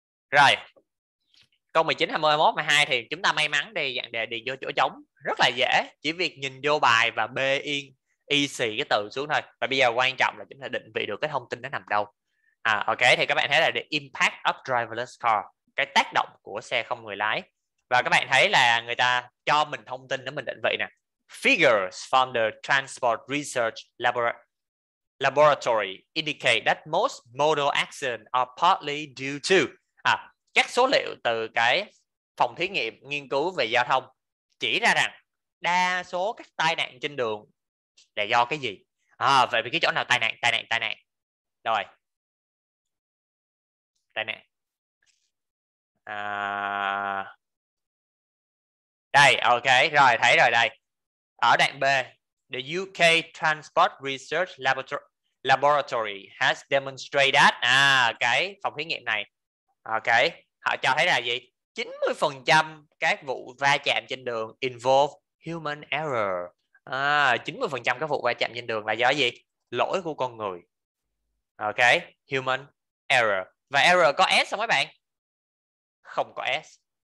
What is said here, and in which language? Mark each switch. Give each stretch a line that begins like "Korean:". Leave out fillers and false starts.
Vietnamese: Rồi câu 19, 20, 21, 22 thì chúng ta may mắn đi, dạng đề đi vô chỗ trống rất là dễ, chỉ việc nhìn vô bài và bê yên y xì cái từ xuống thôi. Và bây giờ quan trọng là chúng ta định vị được cái thông tin nó nằm đâu. À, ok, thì các bạn thấy là
English: the impact of driverless car,
Vietnamese: cái tác động của xe không người lái. Và các bạn thấy là người ta cho mình thông tin để mình định vị nè.
English: Figures from the Transport Research Laboratory indicate that most motor accidents are partly due to.
Vietnamese: À, các số liệu từ cái phòng thí nghiệm nghiên cứu về giao thông chỉ ra rằng đa số các tai nạn trên đường là do cái gì? À, vậy vì cái chỗ nào tai nạn, tai nạn, tai nạn. Rồi. Tai nạn. À... Đây, ok, rồi, thấy rồi đây. Ở đoạn B,
English: the UK Transport Research Laboratory has demonstrated that.
Vietnamese: À, cái phòng thí nghiệm này. Ok, họ cho thấy là gì? 90% các vụ va chạm trên đường
English: involve human error.
Vietnamese: À, 90% các vụ va chạm trên đường là do gì? Lỗi của con người. Ok, human error. Và error có S không mấy bạn? Không có S.